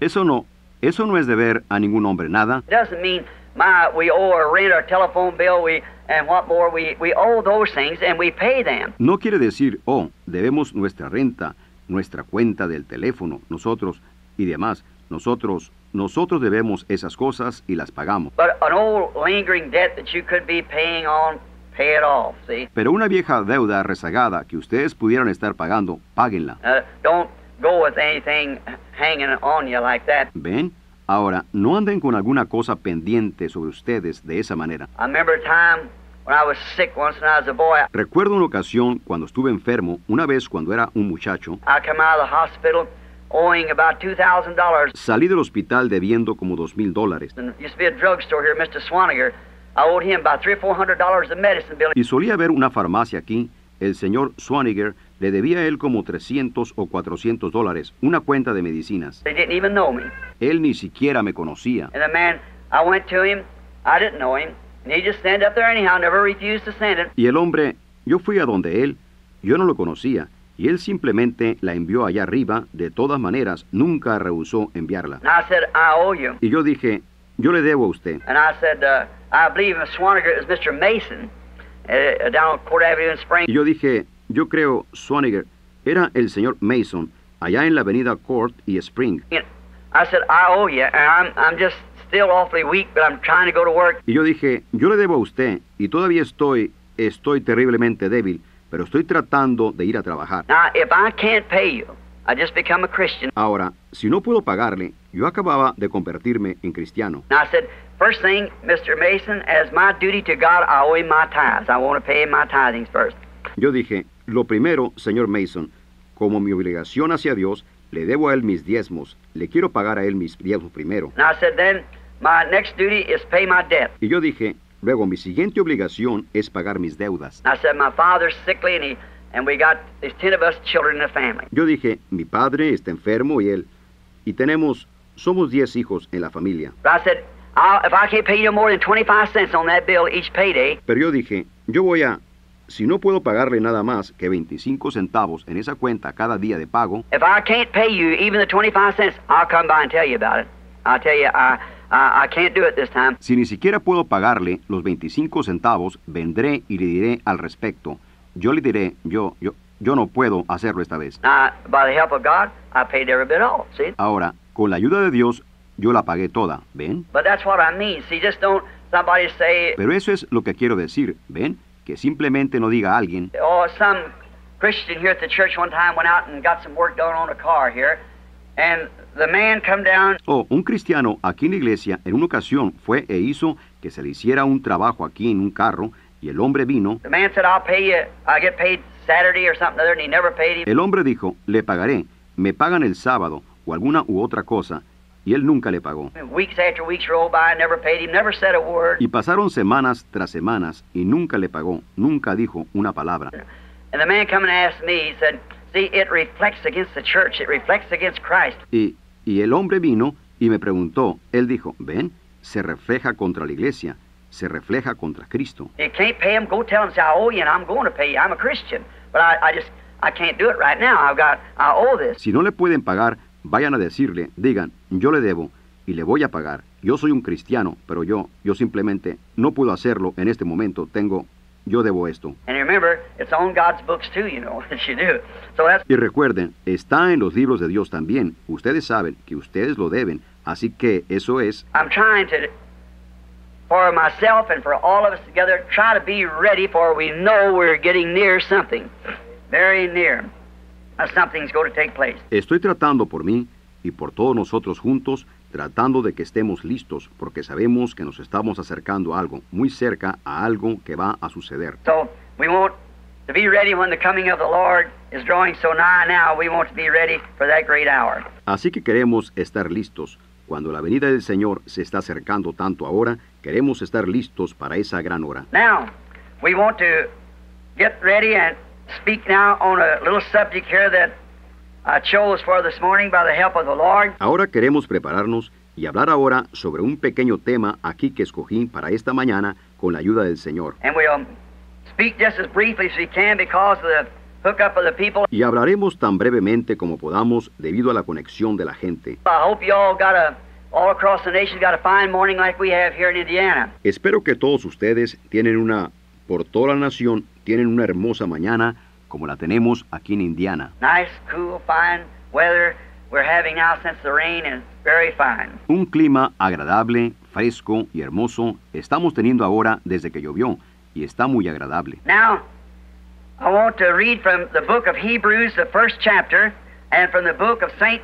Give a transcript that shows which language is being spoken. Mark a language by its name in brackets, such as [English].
[Spanish] Eso no es deber a ningún hombre nada. [English] It doesn't mean we owe a rent or telephone bill, and what more, we owe those things and we pay them. [Spanish] No quiere decir, oh, debemos nuestra renta, nuestra cuenta del teléfono, nosotros y demás. Nosotros debemos esas cosas y las pagamos. [English] But an old lingering debt that you could be paying on, pay it off, see? [Spanish] Pero una vieja deuda rezagada que ustedes pudieran estar pagando, páguenla. [English] Don't go with anything hanging on you like that. [Spanish] ¿Ven? Ahora, no anden con alguna cosa pendiente sobre ustedes de esa manera. [English] I remember a time when I was sick once when I was a boy. [Spanish] Recuerdo una ocasión cuando estuve enfermo, una vez cuando era un muchacho. [English] I came out of the hospital owing about $2,000. [Spanish] Salí del hospital debiendo como $2,000. [English] There used to be a drugstore here, Mr. Swaniger. I owed him about $300 or $400 of medicine bill. [Spanish] Y solía haber una farmacia aquí, el señor Swaniger. Le debía a él como $300 [English] or [Spanish] $400, una cuenta de medicinas. [English] He didn't even know me. [Spanish] Él ni siquiera me conocía. [English] And the man, I went to him, I didn't know him, and he just stand up there anyhow, never refused to send it. [Spanish] Y el hombre, yo fui a donde él, yo no lo conocía, y él simplemente la envió allá arriba, de todas maneras, nunca rehusó enviarla. [English] And I said, I owe you. [Spanish] Y yo dije, yo le debo a usted. [English] And I said, I believe Swaniger is Mr. Mason, down on Court Avenue in Spring. [Spanish] Y yo dije, yo creo, Swaniger, era el señor Mason, allá en la avenida Court y Spring. [English] I said, I owe you, and I'm just still awfully weak, but I'm trying to go to work. [Spanish] Y yo dije, yo le debo a usted, y todavía estoy terriblemente débil, pero estoy tratando de ir a trabajar. [English] Now, if I can't pay you, I just become a Christian. [Spanish] Ahora, si no puedo pagarle, Yo acababa de convertirme en cristiano. [English] And I said, first thing, Mr. Mason, as my duty to God, I owe him my tithes. I want to pay him my tithings first. [Spanish] Yo dije, lo primero, señor Mason, como mi obligación hacia Dios, le debo a él mis diezmos. Le quiero pagar a él mis diezmos primero. [English] And I said, then, my next duty is pay my debt. [Spanish] Y yo dije, luego, mi siguiente obligación es pagar mis deudas. [English] And I said, my father's sickly and we got these 10 of us children in the family. [Spanish] Yo dije, mi padre está enfermo y él, y tenemos, somos 10 hijos en la familia. [English] But I said, if I can't pay you more than 25 cents on that bill each payday. [Spanish] Pero yo dije, yo voy a, si no puedo pagarle nada más que 25 centavos en esa cuenta cada día de pago. [English] If I can't pay you even the 25 cents, I'll come by and tell you about it. I'll tell you, I can't do it this time. [Spanish] Si ni siquiera puedo pagarle los 25 centavos, vendré y le diré al respecto. Yo le diré, yo no puedo hacerlo esta vez. [English] By the help of God, I paid every bit all, see? [Spanish] Ahora, con la ayuda de Dios, yo la pagué toda, ¿ven? [English] But that's what I mean. See, just don't somebody say... [Spanish] Pero eso es lo que quiero decir, ¿ven? Que simplemente no diga a alguien... [English] Oh, some Christian here at the church one time went out and got some work done on a car here, and the man come down... [Spanish] Oh, un cristiano aquí en la iglesia en una ocasión fue e hizo que se le hiciera un trabajo aquí en un carro, y el hombre vino... [English] The man said, I'll pay you, I get paid Saturday or something other, and he never paid him. [Spanish] El hombre dijo, le pagaré, me pagan el sábado, o alguna u otra cosa, y él nunca le pagó. [English] Weeks after weeks rolled by, never paid him, never said a word. [Spanish] Y pasaron semanas tras semanas, y nunca le pagó, nunca dijo una palabra. [English] And the man come and asked me, he said, see, it reflects against the church, it reflects against Christ. [Spanish] Y el hombre vino y me preguntó, él dijo, ven, se refleja contra la iglesia, se refleja contra Cristo. [English] You can't pay him, go tell him, say, I owe you and I'm going to pay you, I'm a Christian. But I can't do it right now, I owe this. [Spanish] Si no le pueden pagar, vayan a decirle, digan, yo le debo y le voy a pagar. Yo soy un cristiano, pero yo simplemente no puedo hacerlo en este momento. Yo debo esto. [English] And remember, it's on God's books too, you know, that you do. So that's... [Spanish] Y recuerden, está en los libros de Dios también. Ustedes saben que ustedes lo deben. Así que eso es... [English] I'm trying to, for myself and for all of us together, try to be ready for we know we're getting near something. Very near. Something's going to take place. [Spanish] Estoy tratando por mí y por todos nosotros juntos, tratando de que estemos listos, porque sabemos que nos estamos acercando a algo, muy cerca a algo que va a suceder. [English] So, we want to be ready when the coming of the Lord is drawing so nigh now, we want to be ready for that great hour. [Spanish] Así que queremos estar listos. Cuando la venida del Señor se está acercando tanto ahora, queremos estar listos para esa gran hora. [English] Now, we want to get ready and speak now on a little subject here that I chose for this morning by the help of the Lord. [Spanish] Ahora queremos prepararnos y hablar ahora sobre un pequeño tema aquí que escogí para esta mañana con la ayuda del Señor. [English] And we'll speak just as briefly as we can because of the hookup of the people. [Spanish] Y hablaremos tan brevemente como podamos debido a la conexión de la gente. [English] I hope you all got a all across the nation got a fine morning like we have here in Indiana. [Spanish] Espero que todos ustedes tienen una por toda la nación tienen una hermosa mañana como la tenemos aquí en Indiana. [English] Nice, cool, fine weather we're having now since the rain is very fine. [Spanish] Un clima agradable, fresco y hermoso estamos teniendo ahora desde que llovió y está muy agradable. [English] Now, I want to read from the book of Hebrews, the first chapter, and from the book of St.